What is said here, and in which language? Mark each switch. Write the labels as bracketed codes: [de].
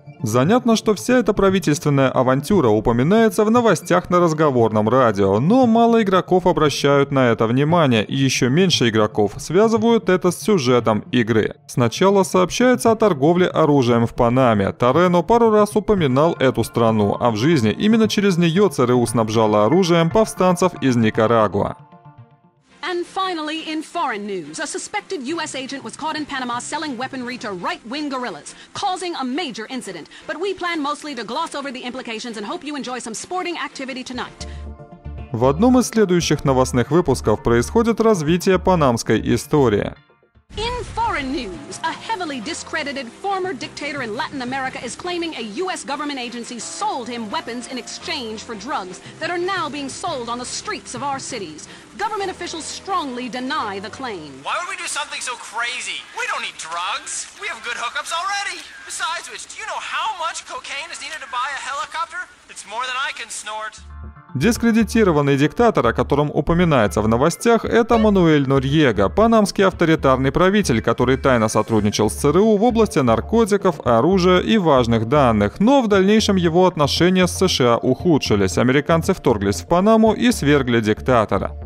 [ru] Занятно, что вся эта правительственная авантюра упоминается в новостях на разговорном радио, но мало игроков обращают на это внимание, и еще меньше игроков связывают это с сюжетом игры. Сначала сообщается о торговле оружием в Панаме. Торено пару раз упоминал эту страну, а в жизни именно через нее ЦРУ снабжало оружием повстанцев из Никарагуа. [en] And finally, in foreign news, a suspected U.S. agent was caught in Panama selling weaponry to right-wing guerrillas, causing a major incident. But we plan mostly to gloss over the implications and hope you enjoy some sporting activity tonight. В одном из следующих новостных выпусков происходит развитие панамской истории. In foreign news, a heavily discredited former dictator in Latin America is claiming a U.S. government agency sold him weapons in exchange for drugs that are now being sold on the streets of our cities. Government officials strongly deny the claim. Why would we do something so crazy? We don't need drugs. We have good hookups already. Besides which, do you know how much cocaine is needed to buy a helicopter? It's more than I can snort. [ru] Дискредитированный диктатор, о котором упоминается в новостях, это Мануэль Норьега, панамский авторитарный правитель, который тайно сотрудничал с ЦРУ в области наркотиков, оружия и важных данных, но в дальнейшем его отношения с США ухудшились, американцы вторглись в Панаму и свергли диктатора.